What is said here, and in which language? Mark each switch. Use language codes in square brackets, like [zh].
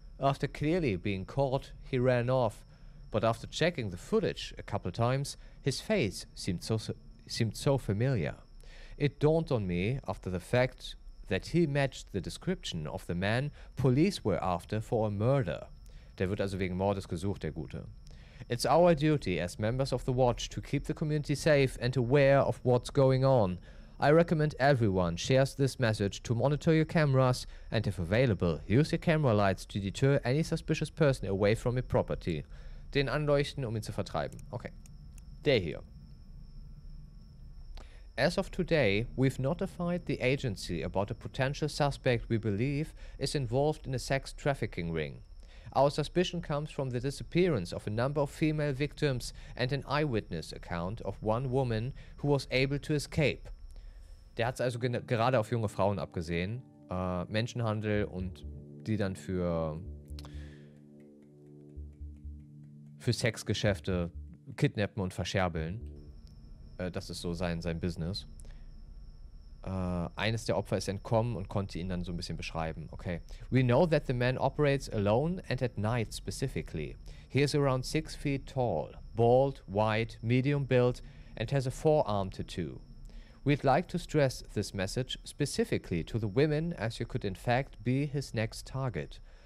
[en] After clearly being caught, he ran off. But after checking the footage a couple times, his face seemed so familiar. It dawned on me after the fact that he matched the description of the man police were after for a murder. [de] Der wird also wegen Mordes gesucht, der Gute. [en] It's our duty as members of the Watch to keep the community safe and aware of what's going on. I recommend everyone shares this message to monitor your cameras and, if available, use your camera lights to deter any suspicious person away from your property. [de] Den anleuchten, um ihn zu vertreiben. Okay. Der hier. [en] As of today, we've notified the agency about a potential suspect we believe is involved in a sex trafficking ring. Our suspicion comes from the disappearance of a number of female victims and an eyewitness account of one woman who was able to escape. [de] Der hat es also gerade auf junge Frauen abgesehen. Menschenhandel und die dann für Sexgeschäfte kidnappen und verscherbeln. Das ist so sein Business. Eines der Opfer ist entkommen und konnte ihn dann so ein bisschen beschreiben. Okay. [en] We know that the man operates alone and at night specifically. He is around 6 feet tall, bald, white, medium built and has a forearm tattoo. We'd like to stress this message specifically to the women, as you could in fact be his next target.